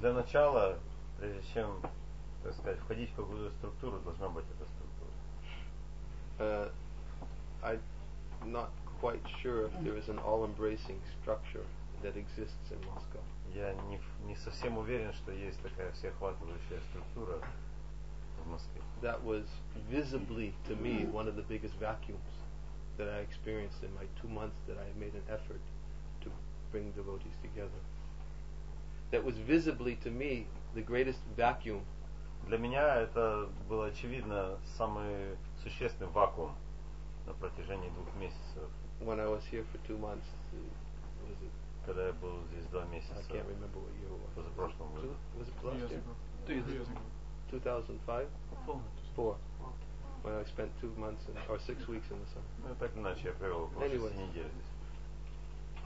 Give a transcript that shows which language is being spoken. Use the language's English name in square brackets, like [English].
[Russian] Для начала, прежде чем, так сказать, входить в какую-то структуру, должна быть эта структура. [English] I'm not quite sure if there is an all-embracing structure that exists in Moscow. [Russian] Я не совсем уверен, что есть такая всеохватывающая структура в Москве. [English] That was visibly to me one of the biggest vacuums that I experienced in my 2 months that I made an effort to bring devotees together. That was visibly to me the greatest vacuum. [Russian] Для меня это было очевидно самый существенный вакуум на протяжении 2 месяцев. [English] When I was here for 2 months, was it? [Russian] Когда я был здесь 2 месяца. [English] I can't remember what year it was. [Russian] Позапрошлом году. [English] Was it last year? 2005? 4. When I spent 2 months in, or 6 weeks in the summer. [Russian] Так иначе я провел около 6 недель здесь.